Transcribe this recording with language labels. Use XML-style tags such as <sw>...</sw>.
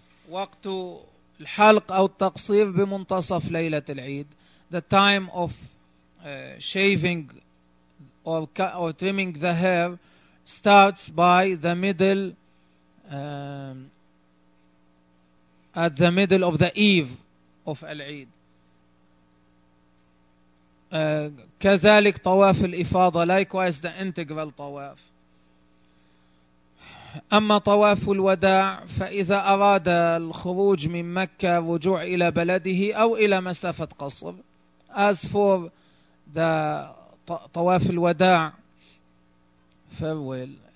<ar>وقت الحلق أو التقصير بمنتصف ليلة العيد.</ar> <en>The time of shaving or trimming the hair starts by the middle, at the middle of the eve of العيد.</en> <ar>كذلك طواف الإفاضة.</ar> <en>Likewise the integral طواف.</en> <ar>أما طواف الوداع فإذا أراد الخروج من مكة رجوع إلى بلده أو إلى مسافة قصر.</ar> <en>As for the طواف الوداع, farewell.</en>